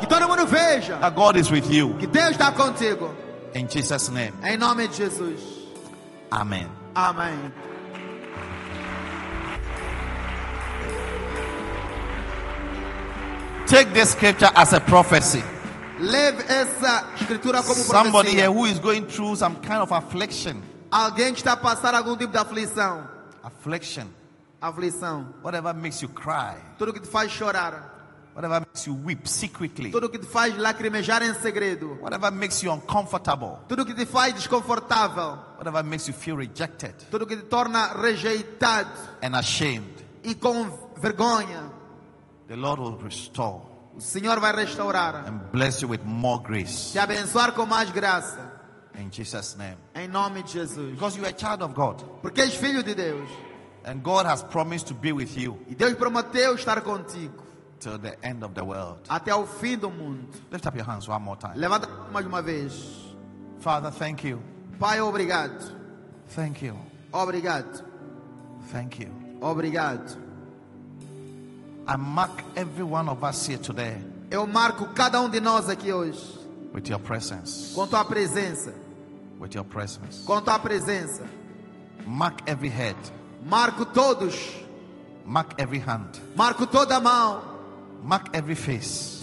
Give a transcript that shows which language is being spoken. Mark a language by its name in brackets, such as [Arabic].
[Portuguese] Que todo mundo veja. [English] That God is with you. [Portuguese] Que Deus está contigo. [English] In Jesus' name. [Portuguese] Em nome de Jesus. [English] Amen. [Portuguese] Amen. [English] Take this scripture as a prophecy. [Portuguese] Leve essa escritura como profecia. [English] Somebody here who is going through some kind of affliction. [Portuguese] Alguém está passando algum tipo de aflição. [English] Affliction. [Portuguese] Aflição. [English] Whatever makes you cry. [Portuguese] Tudo que te faz chorar. [English] Whatever makes you weep secretly. [Portuguese] Tudo que te faz lacrimejar em segredo. [English] Whatever makes you uncomfortable. [Portuguese] Tudo que te faz desconfortável. [English] Whatever makes you feel rejected. [Portuguese] Tudo que te torna rejeitado. [English] And ashamed. [Portuguese] E com vergonha. [English] The Lord will restore. [Portuguese] O Senhor vai restaurar. [English] And bless you with more grace. [Portuguese] Te abençoar com mais graça. [English] In Jesus' name. [Portuguese] Em nome de Jesus. [English] Because you are a child of God. [Portuguese] Porque és filho de Deus. [English] And God has promised to be with you. [Portuguese] E Deus prometeu estar contigo. [English] Till the end of the world. [Portuguese] Até ao fim do mundo. [English] Lift up your hands one more time. [Portuguese] Levanta mais uma vez. [English] Father, thank you. [Portuguese] Pai, obrigado. [English] Thank you. [Portuguese] Obrigado. [English] Thank you. [Portuguese] Obrigado. [English] I mark every one of us here today. [Portuguese] Eu marco cada de nós aqui hoje. [English] With your presence. [Portuguese] Com tua presença. [English] With your presence. [Portuguese] Com tua presença. [English] Mark every head. [Portuguese] Marco todos. [English] Mark every hand. [Portuguese] Marco toda mão. [English] Mark every face.